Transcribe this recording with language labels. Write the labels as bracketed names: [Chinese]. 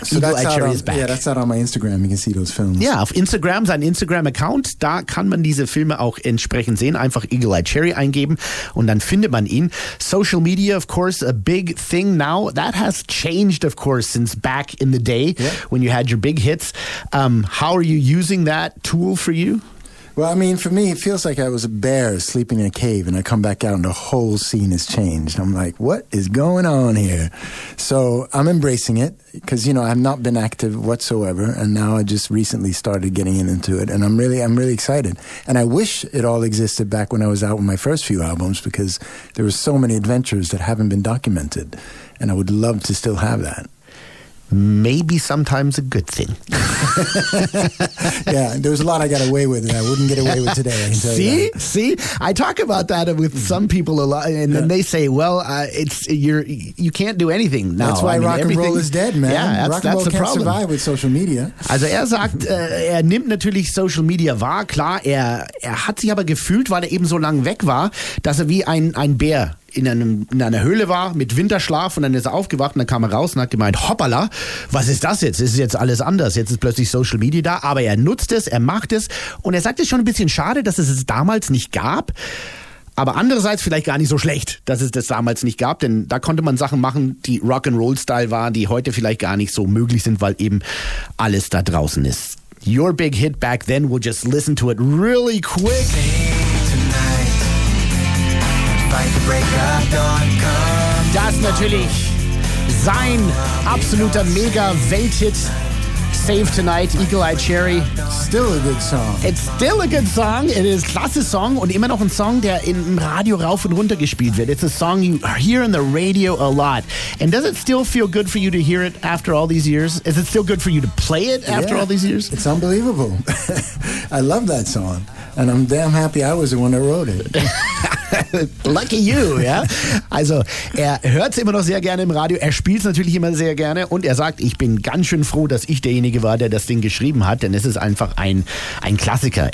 [English] So Eagle Eye Cherry is back. Yeah, that's out on my Instagram. You can see those films. [German] Ja, auf Instagram, sein Instagram-Account, da kann man diese Filme auch entsprechend sehen. Einfach Eagle Eye Cherry eingeben und dann findet man ihn. [English] Social media, of course, a big thing now. That has changed, of course, since back in the day when you had your big hits. How are you using that tool for you? Well, I mean, for me, it feels like I was a bear sleeping in a cave and I come back out and the whole scene has changed. I'm like, what is going on here? So I'm embracing it because, you know, I've not been active whatsoever. And now I just recently started getting into it and I'm really excited. And I wish it all existed back when I was out with my first few albums because there were so many adventures that haven't been documented. And I would love to still have that. Maybe sometimes a good thing. Yeah, there was a lot I got away with and I wouldn't get away with today. See? I talk about that with some people a lot and then they say, well, you can't do anything now. That's why rock and roll is dead, man. Yeah, rock and roll that's can't a problem. Survive with social media. [German] Also er sagt, er nimmt natürlich Social Media wahr, klar, er hat sich aber gefühlt, weil er eben so lange weg war, dass er wie ein Bär in einer Höhle war mit Winterschlaf und dann ist er aufgewacht und dann kam er raus und hat gemeint, hoppala, was ist das jetzt? Es ist jetzt alles anders. Jetzt ist plötzlich Social Media da, aber er nutzt es, er macht es und er sagt, es ist schon ein bisschen schade, dass es damals nicht gab, aber andererseits vielleicht gar nicht so schlecht, dass es das damals nicht gab, denn da konnte man Sachen machen, die Rock'n'Roll-Style waren, die heute vielleicht gar nicht so möglich sind, weil eben alles da draußen ist. [English] Your big hit back then, we'll just listen to it really quick. [German] Das ist natürlich sein absoluter Mega-Welthit, Save Tonight, Eagle Eye Cherry. [English] Still a good song. It's still a good song. It is a klasse Song [German] und immer noch ein Song, der im Radio rauf und runter gespielt wird. [English] It's a song you hear on the radio a lot. And does it still feel good for you to hear it after all these years? Is it still good for you to play it after all these years? It's unbelievable. I love that song. And I'm damn happy I was the one that wrote it. Lucky you, ja. [German] Also, er hört es immer noch sehr gerne im Radio, er spielt es natürlich immer sehr gerne und er sagt, ich bin ganz schön froh, dass ich derjenige war, der das Ding geschrieben hat, denn es ist einfach ein Klassiker.